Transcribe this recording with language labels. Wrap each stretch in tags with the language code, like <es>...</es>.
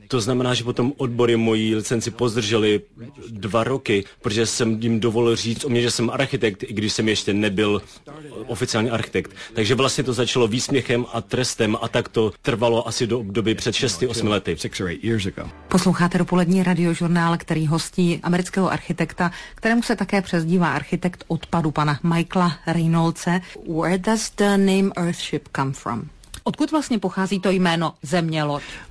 <cs>To znamená, že potom odbory moji licenci pozdrželi 2 roky, protože jsem jim dovolil říct o mě, že jsem architekt, i když jsem ještě nebyl oficiální architekt. Takže vlastně to začalo výsměchem a trestem a tak to trvalo asi do období před 6-8 lety. Posloucháte dopolední radiožurnál, který hostí amerického architekta, kterému se také přezdívá architekt odpadu, pana Michaela Reynolds.</cs> <en>Where does the name Earthship come from?</en> <cs>Odkud vlastně pochází to jméno Zeměloď?</cs>